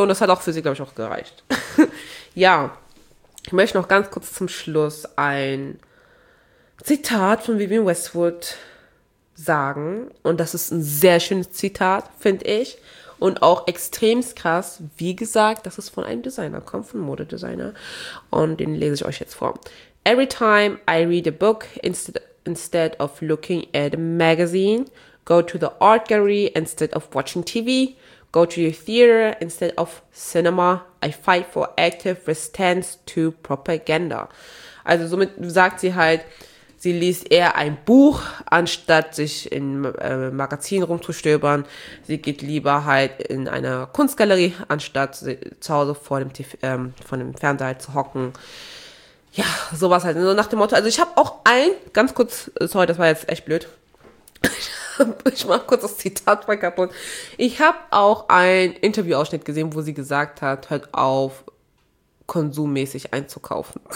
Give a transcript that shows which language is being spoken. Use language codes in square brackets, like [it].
[de] Und das hat auch für sie, glaube ich, auch gereicht. Ja, ich möchte noch ganz kurz zum Schluss ein Zitat von Vivienne Westwood sagen. Und das ist ein sehr schönes Zitat, finde ich. Und auch extremst krass. Wie gesagt, das ist von einem Designer, kommt von Modedesigner. Und den lese ich euch jetzt vor. [en] Every time I read a book, instead of looking at a magazine, go to the art gallery instead of watching TV, go to your theater instead of cinema, I fight for active resistance to propaganda. [de] Also somit sagt sie halt, sie liest eher ein Buch, anstatt sich in Magazinen rumzustöbern. Sie geht lieber halt in eine Kunstgalerie, anstatt zu Hause vor dem Fernseher halt zu hocken. Ja, sowas halt, so nach dem Motto, also ich habe auch ein, ganz kurz, sorry, das war jetzt echt blöd, ich mach kurz das Zitat mal kaputt, ich habe auch ein Interviewausschnitt gesehen, wo sie gesagt hat, hört auf, konsummäßig einzukaufen.